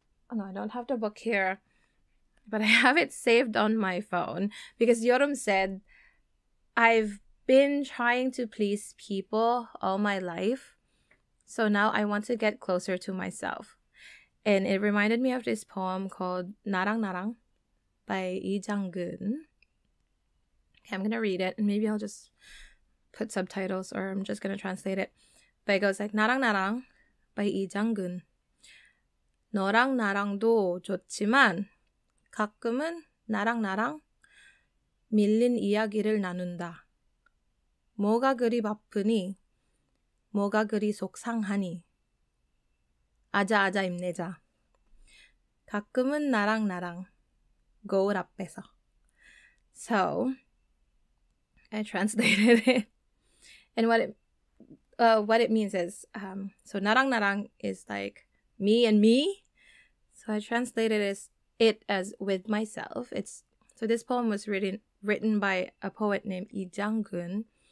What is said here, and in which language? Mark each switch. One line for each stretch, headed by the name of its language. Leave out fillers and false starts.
English: Oh no, I don't have the book here, but I have it saved on my phone because Yoram said, I've been trying to please people all my life, so now I want to get closer to myself. And it reminded me of this poem called Narang Narang by Lee Jang-geun. Okay, I'm going to read it and maybe I'll just put subtitles or I'm just going to translate it. But it goes like, Narang Narang by Lee Jang-geun.
Korean: 너랑 나랑도 좋지만 가끔은 나랑 나랑 밀린 이야기를 나눈다. 뭐가 그리 바쁘니? 뭐가 그리 속상하니? 아자 아자 힘내자. 가끔은 나랑 나랑 거울 앞에서.
English: So, I translated it. And what it means is, so
Korean: 나랑 나랑
English: is like me and me. So I translated it as with myself. So this poem was written by a poet named Lee Jang-geun.